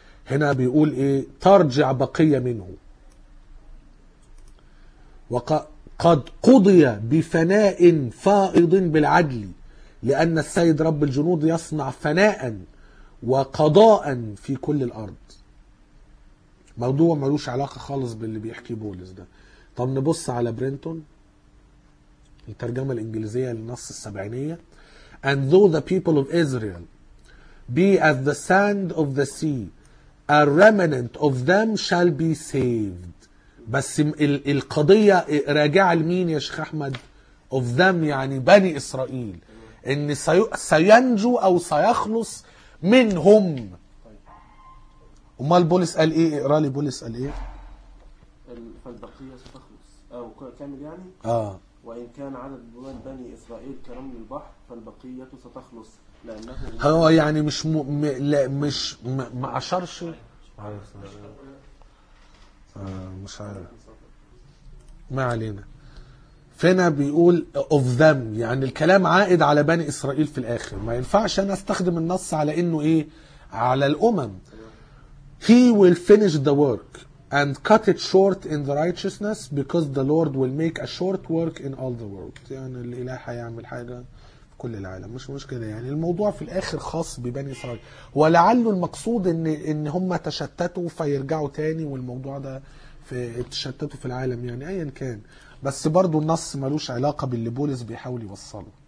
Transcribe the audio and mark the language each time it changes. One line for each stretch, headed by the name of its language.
Arabic: هنا بيقول إيه؟ ترجع بقية منه، وقد قضي بفناء فائض بالعدل، لأن السيد رب الجنود يصنع فناء وقضاء في كل الأرض. موضوع ملوش علاقة خالص باللي بيحكي بولس ده. طب نبص على برينتون، الترجمة الإنجليزية للنص السبعينية:
English: And though the people of Israel be as the sand of the sea, a remnant of them shall be saved.
Arabic: بس القضية راجعة لمين يا شيخ أحمد؟
English: Of them
Arabic: يعني بني إسرائيل، ان سينجو او سيخلص منهم. طيب امال بولس قال ايه؟ اقرا لي بولس قال ايه. فالبقيه ستخلص، او كامل يعني. وان كان عدد بني اسرائيل كرمل البحر فالبقيه ستخلص، لانه هو يعني مش م... م... لا مش م... ما اشرش مش عارف ما علينا. فينا بيقول
English: of them،
Arabic: يعني الكلام عائد على بني إسرائيل في الآخر. ما ينفعش أنا أستخدم النص على إنه إيه؟ على الأمم.
English: He will finish the work and cut it short in the righteousness, because the Lord will make a short work in all the world.
Arabic: يعني الإله هيعمل حاجة في كل العالم، مش مشكلة. يعني الموضوع في الآخر خاص ببني إسرائيل، ولعله المقصود إن هم تشتتوا فيرجعوا تاني، والموضوع ده في تشتتوا في العالم يعني أيا كان. بس برضو النص ملوش علاقة باللي بولس بيحاول يوصله.